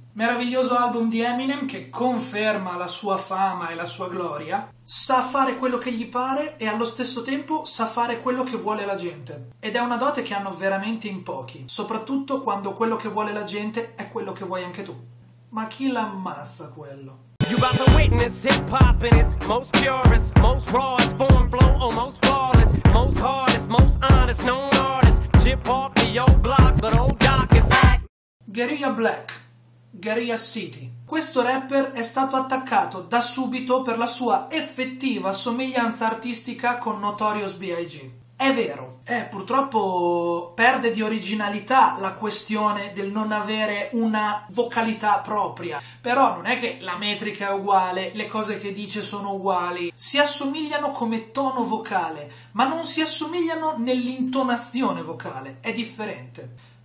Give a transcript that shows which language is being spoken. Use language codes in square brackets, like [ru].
[it] Meraviglioso album di Eminem che conferma la sua fama e la sua gloria. Sa fare quello che gli pare e allo stesso tempo sa fare quello che vuole la gente. Ed è una dote che hanno veramente in pochi, soprattutto quando quello che vuole la gente è quello che vuoi anche tu. Ma chi l'ammazza quello? [en] You about to witness hip hop in its most purest, most rawest form, flow almost flawless, most hardest, most honest, known artist, chip off the old block, but old Doc is back. Guerrilla Black, Guerrilla City. [it] Questo rapper è stato attaccato da subito per la sua effettiva somiglianza artistica con Notorious B.I.G. È vero, purtroppo perde di originalità la questione del non avere una vocalità propria, però non è che la metrica è uguale, le cose che dice sono uguali, si assomigliano come tono vocale, ma non si assomigliano nell'intonazione vocale, è differente.